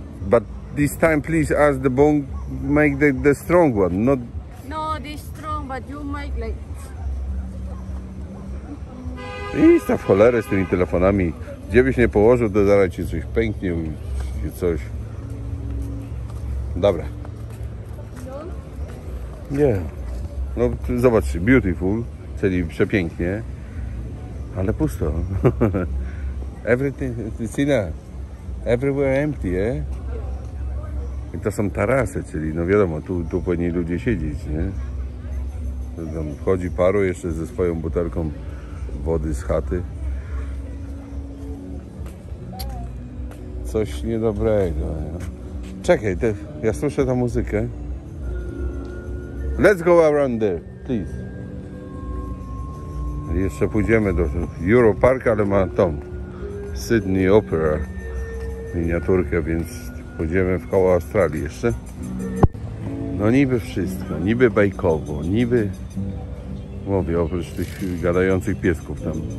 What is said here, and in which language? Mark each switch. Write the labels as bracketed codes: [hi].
[en] But this time please ask the bone, make the strong one, not... No, this strong, but you make like... [pl] I sta w cholerę z tymi telefonami. Gdzie byś nie położył, to zaraz ci coś pęknie i coś. Dobra. Nie. No, zobaczcie, beautiful, czyli przepięknie, ale pusto. [en] Everything, it's enough. Everywhere empty, eh? [pl] I to są tarasy, czyli no wiadomo, tu powinni ludzie siedzieć, nie? Tam chodzi paru jeszcze ze swoją butelką wody z chaty. Coś niedobrego. Czekaj, ja słyszę tę muzykę. [en] Let's go around there, please. [pl] Jeszcze pójdziemy do Europarka, ale ma tą Sydney Opera miniaturkę, więc pójdziemy w koło Australii jeszcze. No niby wszystko, niby bajkowo, niby... Mówię, oprócz tych gadających piesków tam.